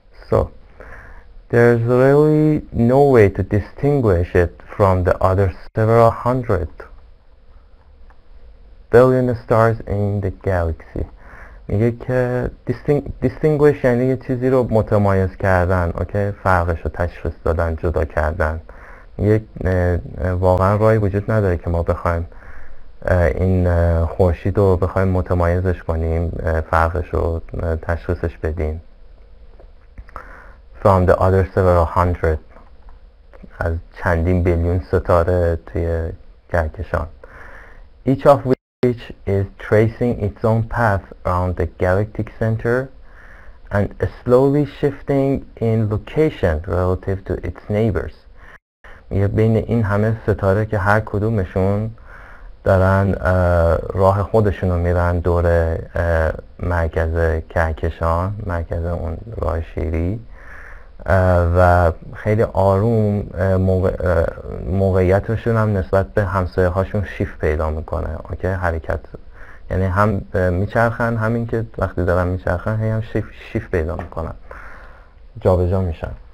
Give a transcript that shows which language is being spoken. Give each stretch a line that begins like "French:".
English: So there's really no way to distinguish it from the other several hundred billion stars in the galaxy.
Persian: میگه که distinguish یعنی یه چیزی رو متمایز کردن, اوکی, فرقش رو تشخیص دادن, جدا کردن. یک واقعا رای وجود نداره که ما بخوایم این خورشید رو بخوایم متمایزش کنیم, فرقش رو تشخیصش بدیم.
English: From the other several hundred,
Persian: از چندین بیلیون ستاره توی کهکشان.
English: Each of which is tracing its own path around the galactic center and slowly shifting in location relative to its neighbors.
Persian: یه بین این همه ستاره که هر کدومشون دارن راه خودشون رو میرن دور مرکز کهکشان, مرکز اون راه شیری, و خیلی آروم موقعیتشون هم نسبت به همسایه هاشون شیفت پیدا میکنه, اوکی, حرکت, یعنی هم میچرخن, همین که وقتی دارن میچرخن هی هم شیفت پیدا میکنن, جا به جا میشن.